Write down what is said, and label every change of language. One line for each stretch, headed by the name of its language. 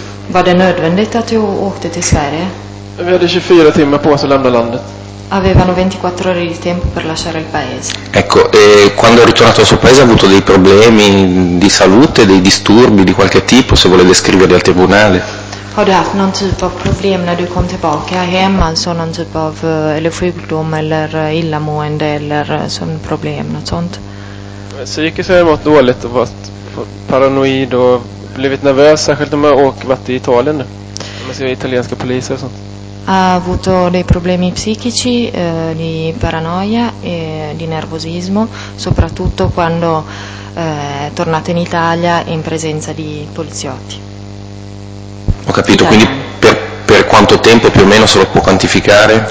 Swedish: Var det nödvändigt att du åkte till Sverige? Vi hade 24 timmar på oss att lämna landet.
Italian: Avevano 24 ore di tempo per lasciare il paese. Ecco, e quando è ritornato al suo paese ha avuto dei problemi di salute, dei disturbi di qualche tipo, se volete scrivere al tribunale?
Swedish: Har du haft någon typ av problem när du kom tillbaka hem, alltså någon typ av eller sjukdom eller illamående eller sån problem, något sånt? Psykiskt har jag mått dåligt och varit paranoid och blivit nervös, särskilt om jag åker vart i Italien nu. Man ser italienska poliser och sånt.
Italian: Ha avuto dei problemi psichici, di paranoia e di nervosismo, soprattutto quando è tornato in Italia in presenza di poliziotti. Ho capito, Italia. Quindi per quanto tempo più o meno se lo può quantificare?